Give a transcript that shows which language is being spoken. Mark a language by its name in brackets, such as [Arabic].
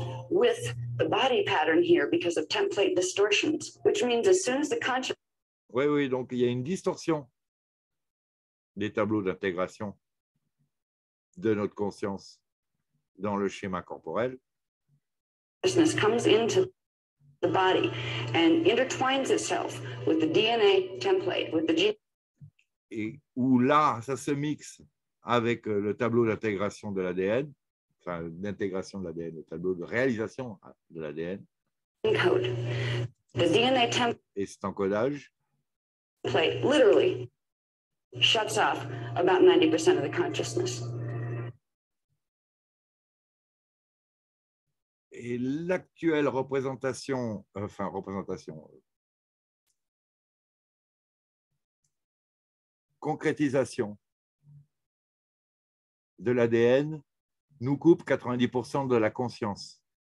[English] With the body pattern here because of template distortions, which means as soon as the conscious... [French] Oui, oui, donc il y a une distorsion des tableaux d'intégration de notre conscience dans le schéma corporel. [English] Consciousness comes into the body and intertwines itself with the DNA template, with the gene. [French] Et où là, ça se mixe avec le tableau d'intégration de l'ADN, enfin d'intégration de l'ADN, le tableau de réalisation de l'ADN. [English] Encode. The DNA template. [French] Et cet encodage. [English] Template literally shuts off about 90% of the consciousness. [French] Et l'actuelle représentation, enfin représentation, concrétisation de l'ADN nous coupe 90% de la conscience.